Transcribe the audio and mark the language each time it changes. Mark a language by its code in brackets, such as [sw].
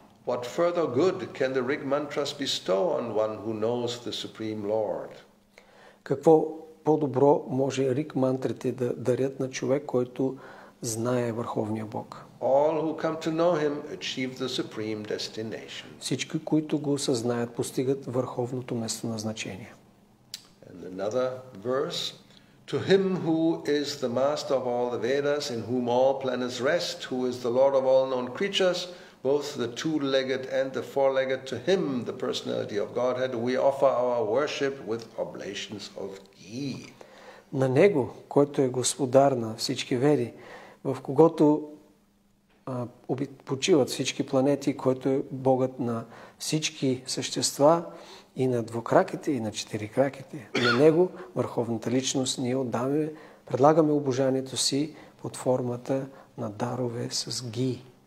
[en] What further good can the Rig mantras bestow on one who knows the Supreme Lord? [bg] Какво по-добро може Риг мантрите да дарят на човек, който знае Върховния Бог? [en] All who come to know him achieve the supreme destination. [bg] Всички, които го осъзнаят, постигат върховното место на значение. [en] And another verse, to him who is the master of all the Vedas, in whom all planets rest, who is the Lord of all known creatures, both the two-legged and the four-legged, to him, the personality of Godhead, we offer our worship with oblations of ghee. [bg] На него, който е господар на всички веди, в когото почиват всички планети, който е Богът на всички същества и на двукраките и на четирикраките. На него, върховната личност, ние отдаваме, предлагаме обожанието си под формата на дарове с ги.